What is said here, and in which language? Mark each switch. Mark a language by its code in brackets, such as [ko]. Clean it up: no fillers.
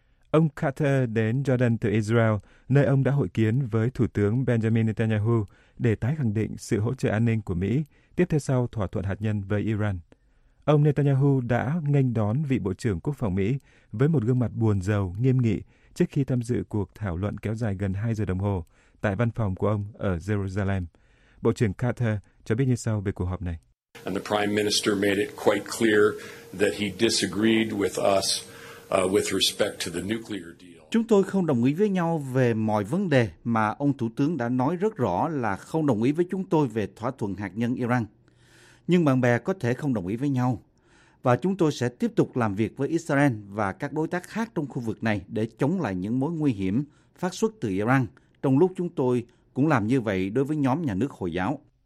[vi] Ông Carter đến Jordan từ Israel, nơi ông đã hội kiến với Thủ tướng Benjamin Netanyahu để tái khẳng định sự hỗ trợ an ninh của Mỹ tiếp theo sau thỏa thuận hạt nhân với Iran. Ông Netanyahu đã nghênh đón vị Bộ trưởng Quốc phòng Mỹ với một gương mặt buồn rầu, nghiêm nghị trước khi tham dự cuộc thảo luận kéo dài gần 2 giờ đồng hồ tại văn phòng của ông ở Jerusalem. Bộ trưởng Carter cho biết như sau về cuộc họp này. [en] And the Prime Minister made it quite clear that he disagreed with us with respect to the nuclear deal. [vi] Chúng tôi không đồng ý với nhau về mọi vấn đề mà ông Thủ tướng đã nói rất rõ là không đồng ý với chúng tôi về thỏa thuận hạt nhân Iran. Nhưng bạn bè có thể không đồng ý với nhau. Và chúng tôi sẽ tiếp tục làm việc với Israel và các đối tác khác trong khu vực này để chống lại những mối nguy hiểm phát xuất từ Iran, trong lúc chúng tôi cũng làm như vậy đối với nhóm nhà nước Hồi giáo.